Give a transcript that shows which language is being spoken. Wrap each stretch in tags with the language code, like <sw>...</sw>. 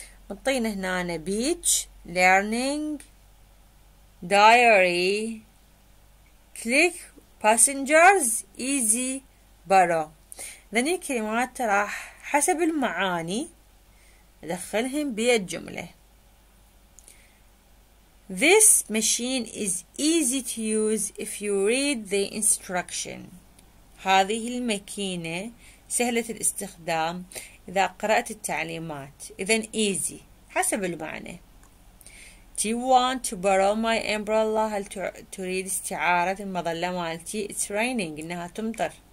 <ar>مطين هنا beach، learning، diary، click، passengers، easy، borrow. ذني كلمات راح حسب المعاني أدخلهم بالجملة.</ar> <en>This machine is easy to use if you read the instruction.</en> <ar>هذه الماكينة سهلة الاستخدام إذا قرأت التعليمات. إذن easy حسب المعنى.</ar> <en>Do you want to borrow my umbrella؟</en> <ar>هل تريد استعارة المظلة مالتي؟</ar> <en>It's raining،</en> <ar>إنها تمطر.</ar>